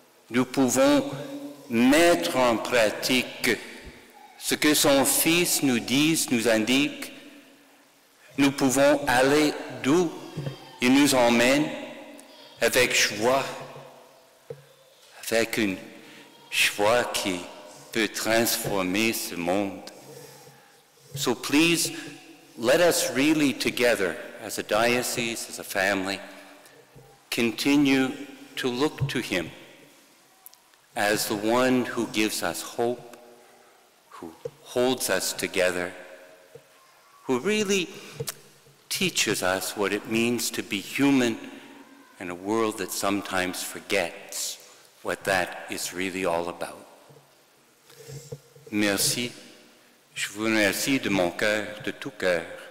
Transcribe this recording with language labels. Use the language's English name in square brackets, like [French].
[French] Nous pouvons mettre en pratique ce que son Fils nous dit, nous indique. Nous pouvons aller d'où il nous emmène avec joie, avec une joie qui peut transformer ce monde. [English] So please, let us really together, as a diocese, as a family, continue to look to him as the one who gives us hope, who holds us together, who really teaches us what it means to be human in a world that sometimes forgets what that is really all about. [French] Merci. Je vous remercie de mon cœur, de tout cœur.